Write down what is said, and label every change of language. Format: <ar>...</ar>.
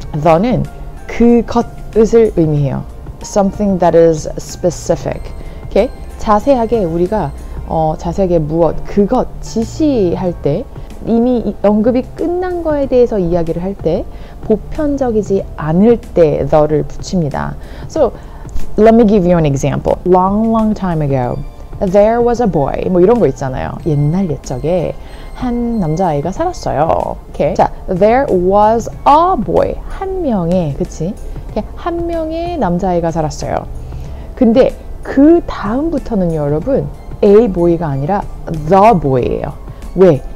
<ko>더는 그것을 의미해요.</ko> <en>Something that is specific. Okay?</en> <ko>자세하게 우리가 자세하게 무엇, 그것, 지시할 때 이미 언급이 끝난 거에 대해서 이야기를 할 때 보편적이지 않을 때 the를 붙입니다.</ko> <en>So, let me give you an example. Long, long time ago, there was a boy.</en> <ko>뭐 이런 거 있잖아요. 옛날 옛적에 한 남자아이가 살았어요.</ko> <en>Okay. 자, there was a boy.</en> <ko>한 명의, 그치? 한 명의 남자아이가 살았어요. 근데 그 다음부터는요, 여러분, a boy가 아니라 the boy예요. 왜?</ko>